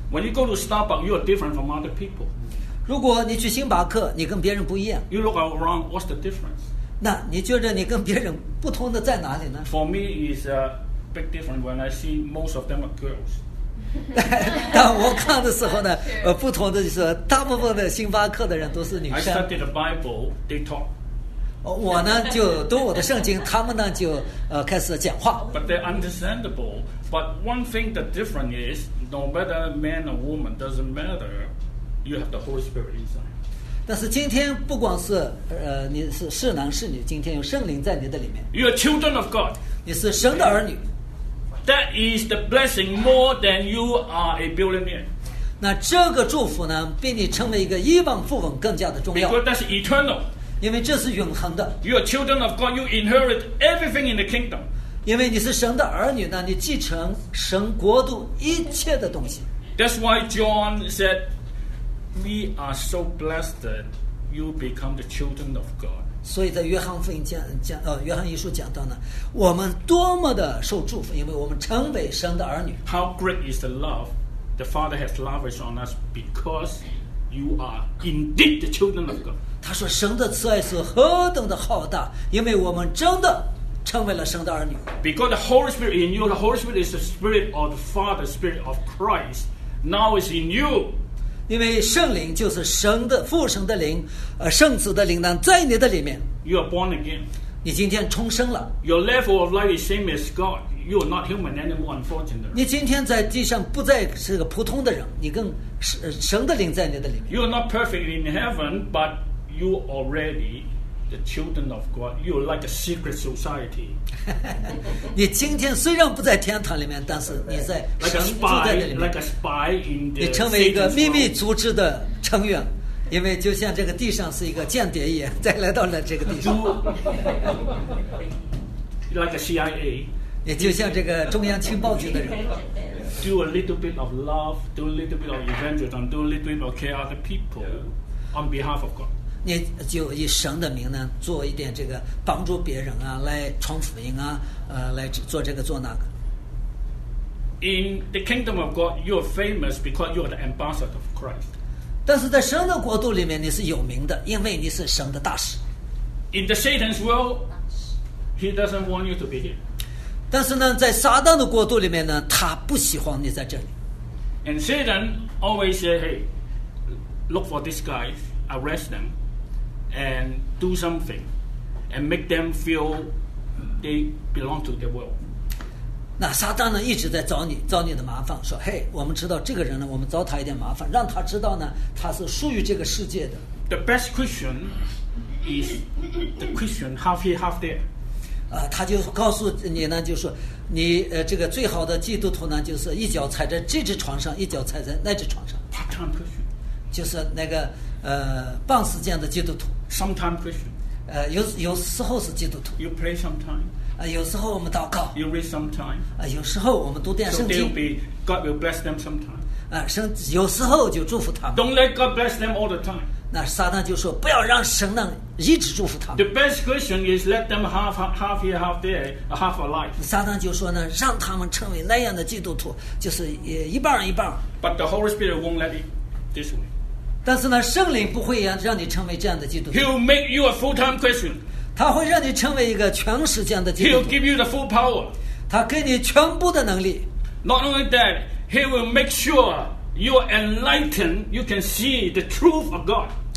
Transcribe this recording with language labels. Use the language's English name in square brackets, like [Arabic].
[English] When you go to Starbucks, you are different from other people. [Chinese] 如果你去星巴克，你跟别人不一样。 [English] You look around, what's the difference? [Chinese] 那你觉得你跟别人不同的在哪里呢？ [English] For me, it's a big difference when I see most of them are girls. [Chinese] 当我看的时候呢，不同的就是大部分的星巴克的人都是女生。 [English] I studied the Bible, they talk. [Chinese] 我呢就读我的圣经，他们呢就开始讲话。 [English] But they're understandable. But one thing the difference is, no matter man or woman, doesn't matter, you have the Holy Spirit inside. [Chinese] 但是今天不光是你是男是女，今天有圣灵在你的里面。 [English] You are children of God. [Chinese] 你是神的儿女。 [English] That is the blessing more than you are a billionaire. [Chinese] 那这个祝福呢，比你成为一个亿万富翁更加的重要。 [English] Because that's eternal. [Chinese] 因为这是永恒的。 [English] You are children of God. You inherit everything in the kingdom. [Chinese] 因为你是神的儿女呢，你继承神国度一切的东西。 [English] That's why John said, "We are so blessed that you become the children of God." [Chinese] 所以在约翰福音约翰一书讲到呢，我们多么的受祝福，因为我们成为神的儿女。 [English] How great is the love the Father has lavished on us because you are indeed the children of God. [Chinese] 他说神的慈爱是何等的浩大，因为我们真的成为了神的儿女。 [English] Because the Holy Spirit in you, the Holy Spirit is the Spirit of the Father, the Spirit of Christ, now is in you. [Chinese] 因为圣灵就是神的父神的灵，圣子的灵呢，在你的里面。 [English] You are born again. [Chinese] 你今天重生了。 [English] Your level of life is same as God. You are not human anymore, unfortunately. [Chinese] 你今天在地上不再是个普通的人，你跟神的灵在你的里面。 [English] You are not perfect in heaven, but you already the children of God. You are like a secret society. [Chinese] 你今天虽然不在天堂里面，但是你在神住在那里面。 [English] Like a spy in the [Chinese] 你成为一个秘密组织的成员。因为就像这个地上是一个间谍一样，再来到了这个地上。 [English] Like a CIA， [Chinese] 也就像这个中央情报局的人。 [English] Do a little bit of love, do a little bit of evangelism, do a little bit of care of the people on behalf of God。 [Chinese] 你就以神的名呢，做一点这个帮助别人啊，来传福音啊，来做这个做那个。 [English] In the kingdom of God, you are famous because you are the ambassador of Christ。 [Chinese] 但是在神的国度里面，你是有名的，因为你是神的大使。 [English] In the Satan's world, he doesn't want you to be here。 [Chinese] 但是呢，在撒旦的国度里面呢，他不喜欢你在这里。 [English] And Satan always say, "Hey, look for these guys, arrest them, and do something, and make them feel they belong to the world." [Chinese] 那撒旦呢，一直在找你，找你的麻烦，说：“嘿，我们知道这个人呢，我们找他一点麻烦，让他知道呢，他是属于这个世界的。” [English] The best Christian is the Christian half here, half there. [Chinese] 他就告诉你呢，就说你这个最好的基督徒呢，就是一脚踩在这只床上，一脚踩在那只床上。 [English] Part-time Christian， [Chinese] 就是那个半时间的基督徒。 [English] Sometime Christian， [Chinese] 有时候是基督徒。 [English] You pray sometime， [Chinese] 有时候我们祷告。 [English] You read sometime， [Chinese] 有时候我们读点圣经。 [English] So they'll be God will bless them sometime， [Chinese] 有时候就祝福他们。 [English] Don't let God bless them all the time。 [Chinese] 那撒旦就说：“不要让神呢一直祝福他们。” [English] The best question is let them half here, half there, half a life. [Chinese] 撒旦就说呢，让他们成为那样的基督徒，就是一半一半。 [English] But the Holy Spirit won't let it this way. [Chinese] 但是呢，圣灵不会让你成为这样的基督徒。 [English] He'll make you a full-time Christian. [Chinese] 他会让你成为一个全时间的基督徒。 [English] He'll give you the full power. [Chinese] 他给你全部的能力。 [English] Not only that, he will make sure. You are enlightened. You can see the truth of God.